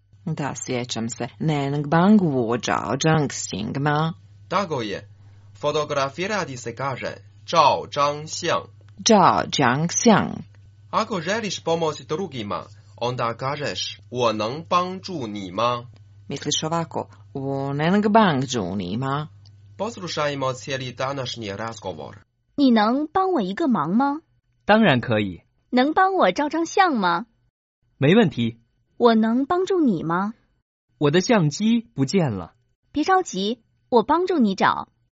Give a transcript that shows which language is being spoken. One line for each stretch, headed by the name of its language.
Croatian: Da, sjećam se.
Chinese: Neng bang wo zhao zhang xing ma?
Croatian: Tako je. Fotografirati se kaže
Chinese: zhao zhang xiang. Zhao zhang xiang.
Croatian: Ako želiš pomoći drugima, onda kažeš
Chinese: 我能帮助你吗?
Croatian: Misliš ovako,
Chinese: 我能帮助你吗?
Croatian: Poslušajmo cijeli današnji razgovor.
Chinese: 你能帮我一个忙吗? 当然可以。能帮我照张相吗? 没问题。我能帮助你吗？我的相机不见了。别着急，我帮助你找。